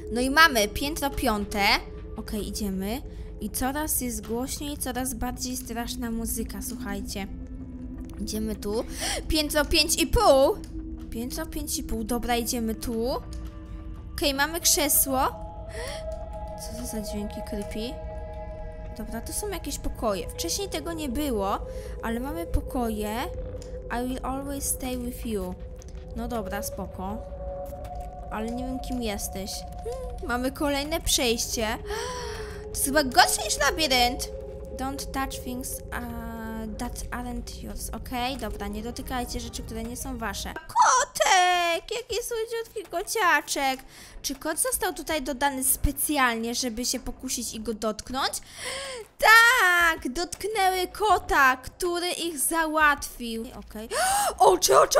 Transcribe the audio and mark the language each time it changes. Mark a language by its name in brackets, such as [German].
[Polish] No i mamy piętro 5. Okej, idziemy. I coraz jest głośniej, coraz bardziej straszna muzyka, słuchajcie. Idziemy tu. Piętro 5,5. Piętro 5,5, dobra, idziemy tu. Okej, mamy krzesło. Co to za dźwięki creepy? Dobra, to są jakieś pokoje. Wcześniej tego nie było, ale mamy pokoje. [English] I will always stay with you. [Polish] No dobra, spoko. Ale nie wiem, kim jesteś. Mamy kolejne przejście. To jest chyba gorsze niż labirynt. [English] Don't touch things that aren't yours. [Polish] Okej, dobra, nie dotykajcie rzeczy, które nie są wasze. Kotek! Jaki słodziutki kociaczek. Czy kot został tutaj dodany specjalnie, żeby się pokusić i go dotknąć? Tak! Dotknęły kota, który ich załatwił. Okej. Oczy!